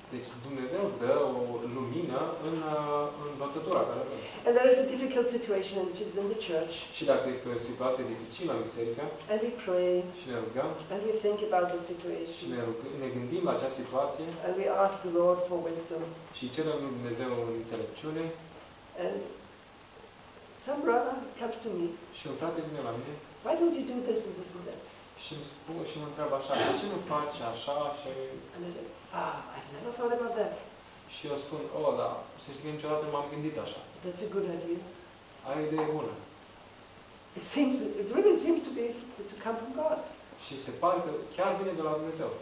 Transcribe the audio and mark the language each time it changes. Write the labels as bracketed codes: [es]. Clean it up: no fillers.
[ro] Deci Dumnezeu dă o lumină în învățătura care. [en] And there is a difficult situation in the church. [ro] Și dacă este o situație dificilă în biserică. [en] And we pray. [ro] Și ne rugăm. [en] And we think about the situation. [ro] Ne gândim la acea situație. [en] And we ask the Lord for wisdom. [ro] Și cerem Dumnezeu înțelepciune. [en] And some brother comes to me. [ro] Și un frate vine la mine. [en] Why don't you do this and this and that? [ro] Și îmi spune și mă întreabă așa, de ce nu faci așa și... [en] And I said, ah, I've never thought about that. [ro] Și eu spun, oh, da, să știi că niciodată nu m-am gândit așa. [en] That's a good idea. [ro] Ai o idee bună. [en] It seems, it really seems to be, to come from God. [ro] Și se pare că chiar vine de la Dumnezeu.